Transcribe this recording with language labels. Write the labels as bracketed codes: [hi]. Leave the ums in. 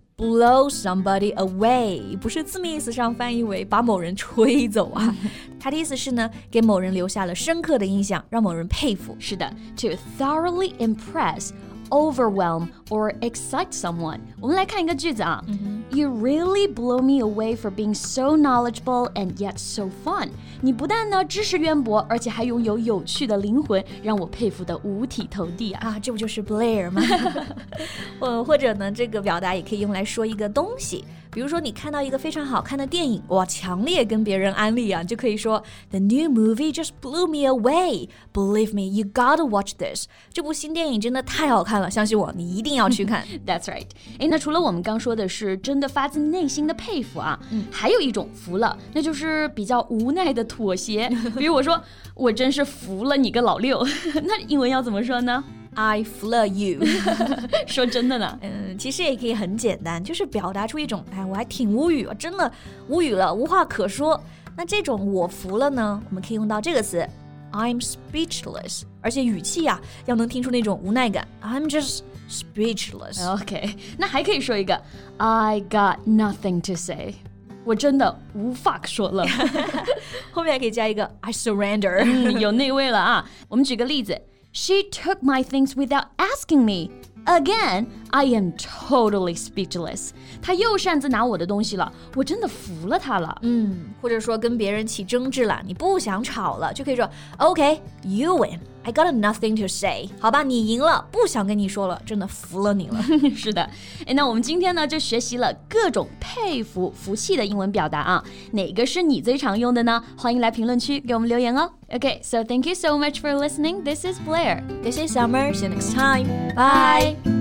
[en] Blow somebody away [zh] 不是字面意思上翻译为把某人吹走啊，它 的意思是呢，给某人留下了深刻的印象，让某人佩服。是的， [en] to thoroughly impress overwhelm or excite someone. [zh] 我们来看一个句子啊, mm -hmm. [en] You really blow me away for being so knowledgeable and yet so fun. [zh] 你不但呢知识渊博，而且还拥有有趣的灵魂，让我佩服的五体投地啊！啊这不就是 Blair 吗？或 或者呢，这个表达也可以用来说一个东西，比如说你看到一个非常好看的电影，哇，强烈跟别人安利啊，就可以说 [en] The new movie just blew me away. Believe me, you gotta watch this. [zh] 这部新电影真的太好看了，相信我，你一定要去看。 [en] That's right. [zh] 哎，那除了我们刚说的是真的发自内心的佩服啊，嗯，还有一种服了，那就是比较无奈的。妥协， 比如我说，我真是服了你个老六， 那英文要怎么说呢？I 服了 you 。说真的呢，嗯，uh, 其实也可以很简单，就是表达出一种，哎，我还挺无语，真的无语了，无话可说。那这种我服了呢，我们可以用到这个词， [en] I'm speechless， [zh] 而且语气呀、啊、要能听出那种无奈感， [en] I'm just speechless。 OK， [zh] 那还可以说一个， [en] I got nothing to say。 [zh] 我真的无法说了，后面还可以加一个 [en] I surrender， [zh] 有那位了啊。 [en] 我们举个例子，She took my things without asking me again. I am totally speechless。 [zh] 他又擅自拿我的东西了，我真的服了他了。嗯，或者说跟别人起争执了，你不想吵了，就可以说 [en] OK，you win。 I got nothing to say。 [zh] 好吧，你赢了，不想跟你说了，真的服了你了。是的，哎，那我们今天呢就学习了各种佩服、服气的英文表达啊，哪个是你最常用的呢？欢迎来评论区给我们留言哦。 [en] Okay, so thank you so much for listening. This is Blair. This is Summer. See you next time. Bye.